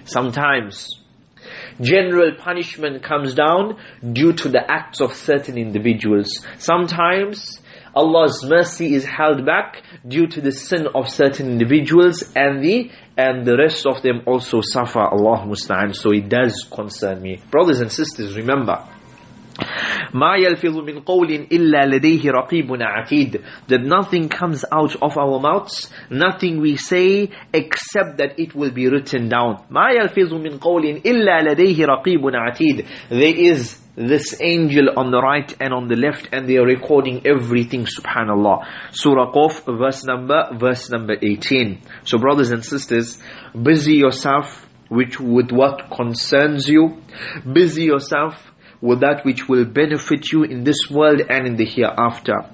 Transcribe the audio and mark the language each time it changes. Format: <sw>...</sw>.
<en>Sometimes general punishment comes down due to the acts of certain individuals. Sometimes Allah's mercy is held back due to the sin of certain individuals and the rest of them also suffer. Allahumma musta'an. So it does concern me. Brothers and sisters, remember,</en> <ar>ما يلفظ من قول إلا لديه رقيب عتيد.</ar> <en>That nothing comes out of our mouths, nothing we say, except that it will be written down.</en> <ar>ما يلفظ من قول إلا لديه رقيب عتيد.</ar> <en>There is this angel on the right and on the left, and they are recording everything, subhanallah. Surah Qaf, verse number 18. So brothers and sisters, busy yourself with what concerns you. Busy yourself with that which will benefit you in this world and in the hereafter.</en>